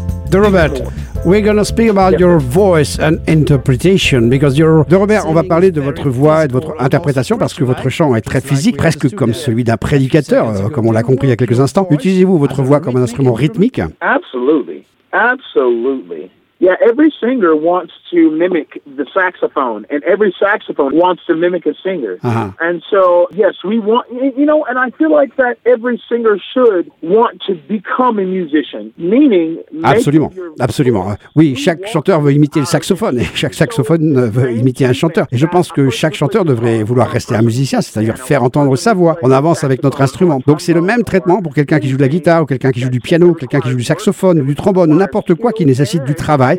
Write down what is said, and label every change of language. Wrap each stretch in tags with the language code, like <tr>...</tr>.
<en>De Robert, we're going to speak about your voice and interpretation because you're...</en> <fr>De Robert, on va parler de votre voix et de votre interprétation parce que votre chant est très physique, presque comme celui d'un prédicateur, comme on l'a compris il y a quelques instants. Utilisez-vous votre voix comme un instrument rythmique?</fr> <en>Absolutely, absolutely. Yeah, every singer wants to mimic the saxophone and every saxophone wants to mimic a singer. Uh-huh. And so, yes, we want, you know, and I feel like that every singer should want to become a musician, meaning...</en> <fr>Absolument, absolument. Oui, chaque chanteur veut imiter le saxophone et chaque saxophone veut imiter un chanteur. Et je pense que chaque chanteur devrait vouloir rester un musicien, c'est-à-dire faire entendre sa voix. On avance avec notre instrument. Donc c'est le même traitement pour quelqu'un qui joue de la guitare ou quelqu'un qui joue du piano, quelqu'un qui joue du saxophone, du trombone, ou n'importe quoi qui nécessite du travail.</fr>